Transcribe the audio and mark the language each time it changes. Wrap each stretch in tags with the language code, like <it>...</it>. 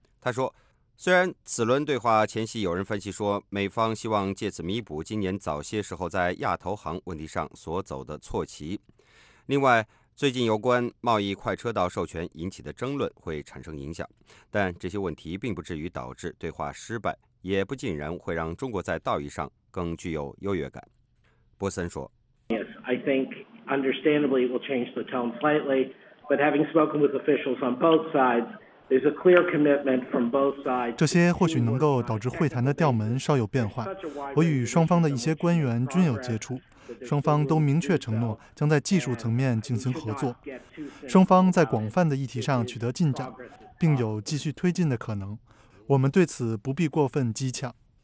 <zh>他说，虽然此轮对话前夕有人分析说，美方希望借此弥补今年早些时候在亚投行问题上所走的错棋，另外最近有关贸易快车道授权引起的争论会产生影响，但这些问题并不至于导致对话失败，也不尽然会让中国在道义上更具有优越感。波森说，</zh> <en>Yes, I think understandably it will change the tone slightly, but having spoken with officials on both sides,</en> <zh>这些或许能够导致会谈的调门稍有变化。我与双方的一些官员均有接触，双方都明确承诺将在技术层面进行合作，双方在广泛的议题上取得进展，并有继续推进的可能，我们对此不必过分激抢。</zh>